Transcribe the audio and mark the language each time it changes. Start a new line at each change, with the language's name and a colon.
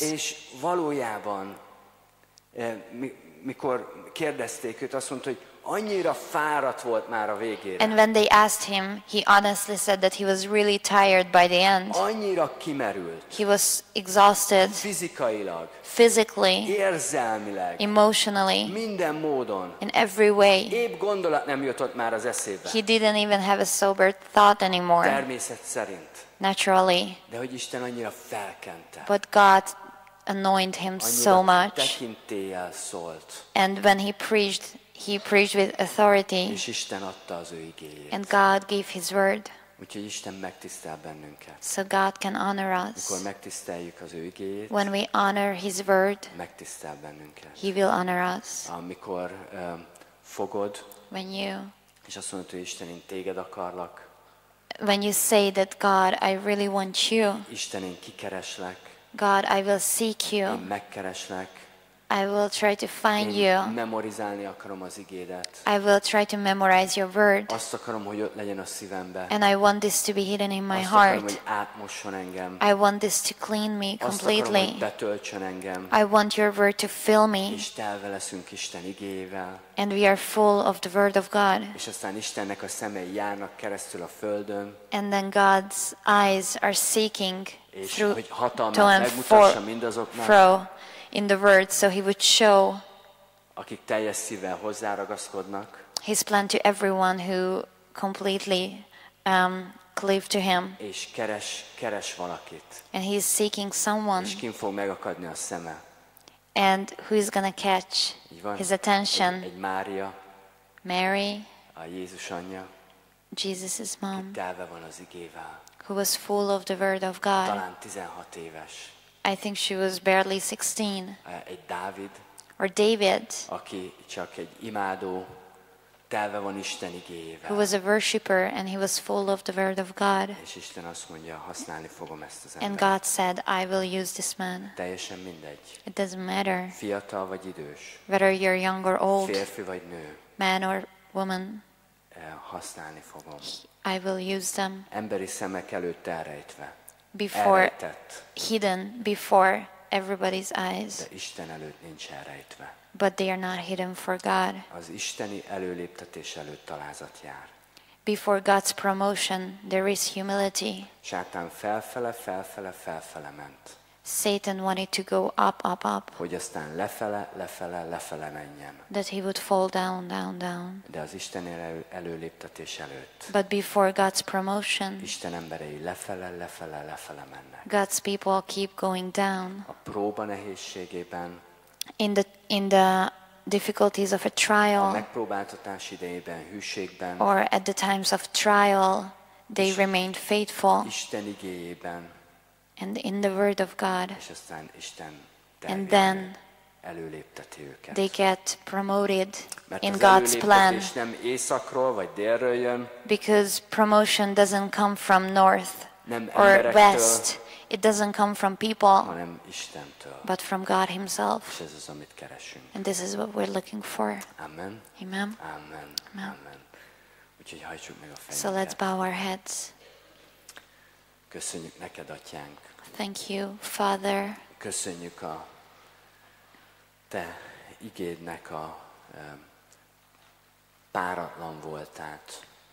Hungarian: És valójában, mikor kérdezték őt, azt mondta, hogy annyira fáradt volt már a végére.
English: And when they asked him, he honestly said that he was really tired by the end.
Hungarian: Annyira kimerült.
English: He was exhausted.
Hungarian: Fizikailag.
English: Physically.
Hungarian: Érzelmileg.
English: Emotionally.
Hungarian: Minden módon.
English: In every way.
Hungarian: Épp gondolat nem jutott már az eszébe.
English: He didn't even have a sober thought anymore.
Hungarian: Természet szerint.
English: Naturally.
Hungarian: De hogy Isten annyira felkente.
English: But God anointed him so much.
Hungarian: Annyira tekintéllyel szólt.
English: And when he preached, he preached with authority.
Hungarian: És Isten adta az ő igéjét.
English: And God gave his word.
Hungarian: Úgyhogy Isten megtisztel bennünket.
English: So God can honor us.
Hungarian: Mikor megtiszteljük az ő igéjét.
English: When we honor his word.
Hungarian: Megtisztel bennünket.
English: He will honor us.
Hungarian: Amikor fogod.
English: When you.
Hungarian: És azt mondod, hogy Isten, én téged akarlak.
English: When you say that, God, I really want you.
Hungarian: Isten, én kikereslek.
English: God, I will seek you.
Hungarian: Én megkereslek.
English: I will try to find you.
Hungarian: Memorizálni akarom az igédet.
English: I will try to memorize your word.
Hungarian: Azt akarom, hogy ott legyen a szívembe.
English: And I want this to be hidden in my
Hungarian: Azt
English: heart.
Hungarian: Akarom, hogy átmosson engem.
English: I want this to clean me completely.
Hungarian: Azt akarom, hogy betöltsön engem.
English: I want your word to fill me.
Hungarian: És telve leszünk Isten igéjével.
English: And we are full of the word of God.
Hungarian: És aztán Istennek a szemei járnak keresztül a földön.
English: And then God's eyes are seeking through
Hungarian: hogy hatalmát megmutassa mindazoknak.
English: In the word, so he would show
Hungarian: akik teljes szívvel hozzáragaszkodnak,
English: his plan to everyone who completely cleave to him.
Hungarian: És keres valakit.
English: And he is seeking someone.
Hungarian: És kin fog megakadni a szeme.
English: And who is gonna catch his attention?
Hungarian: Egy Mária.
English: Mary.
Hungarian: A Jézus anyja.
English: Jesus's mom.
Hungarian: Aki telve van az igével.
English: Who was full of the word of God.
Hungarian: Talán 16 éves.
English: I think she was barely 16.
Hungarian: Egy Dávid.
English: Or David.
Hungarian: Aki csak egy imádó, telve van Isten igéjével.
English: Who was a worshipper and he was full of the word of God.
Hungarian: És Isten azt mondja, használni fogom ezt az embert.
English: And God said, I will use this man.
Hungarian: Teljesen mindegy.
English: It doesn't matter.
Hungarian: Fiatal vagy idős.
English: Whether you're young or old.
Hungarian: Férfi vagy nő.
English: Man or woman.
Hungarian: Használni fogom.
English: I will use them.
Hungarian: Emberi szemek előtt elrejtve.
English: Before
Hungarian: elrejtett.
English: Hidden before everybody's eyes.
Hungarian: De Isten előtt nincs elrejtve.
English: But they are not hidden for God.
Hungarian: Az isteni előléptetés előtt alázat jár.
English: Before God's promotion there is humility.
Hungarian: Sátán felfele ment.
English: Satan wanted to go up.
Hungarian: Hogy aztán lefele menjen.
English: That he would fall down.
Hungarian: De az Isten előléptetés előtt.
English: But before God's promotion.
Hungarian: Isten emberei lefele mennek.
English: God's people keep going down.
Hungarian: A próba nehézségében.
English: In the difficulties of a trial.
Hungarian: A megpróbáltatás idejében, hűségben.
English: Or at the times of trial, they remained faithful.
Hungarian: Isten igéjében.
English: And in the word of God.
Hungarian: És aztán Isten előlépteti őket.
English: They get promoted in God's plan.
Hungarian: Nem északról vagy délről jön.
English: Because promotion doesn't come from north or west. It doesn't come from people.
Hungarian: Hanem Istentől.
English: But from God himself.
Hungarian: És ez az, amit keresünk.
English: And this is what we're looking for. Amen. Amen. Amen. Amen.
Hungarian: Úgyhogy hajtsuk meg a fejünket.
English: So let's bow our heads.
Hungarian: Köszönjük neked, Atyánk.
English: Thank you, Father.
Hungarian: Köszönjük a te igédnek a páratlan voltát.